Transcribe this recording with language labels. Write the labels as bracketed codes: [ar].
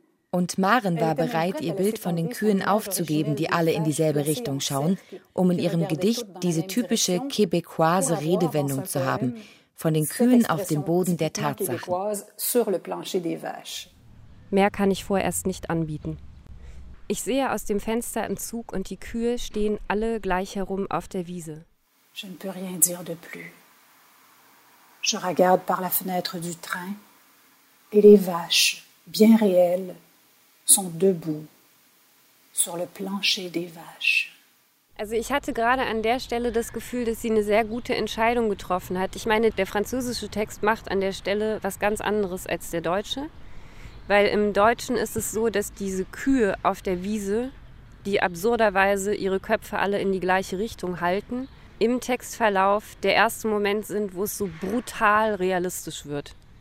[de] Und Maren war bereit, ihr Bild von den Kühen aufzugeben, die alle in dieselbe Richtung schauen, um in ihrem Gedicht diese typische québécoise Redewendung zu haben, von den Kühen auf dem Boden der Tatsachen. Mehr kann ich vorerst nicht anbieten. Ich sehe aus dem Fenster im Zug und die Kühe stehen alle gleich herum auf der Wiese. [fr] Je ne peux rien dire de plus. Je regarde par la fenêtre du train et les vaches bien réelles, sont debout sur le plancher des vaches. [de] Also ich hatte gerade an der Stelle das Gefühl, dass sie eine sehr gute Entscheidung getroffen hat. Ich meine, der französische Text macht an der Stelle was ganz anderes als der deutsche. Weil im Deutschen ist es so, dass diese Kühe auf der Wiese, die absurderweise ihre Köpfe alle in die gleiche Richtung halten, im Textverlauf der erste Moment sind, wo es so brutal realistisch wird.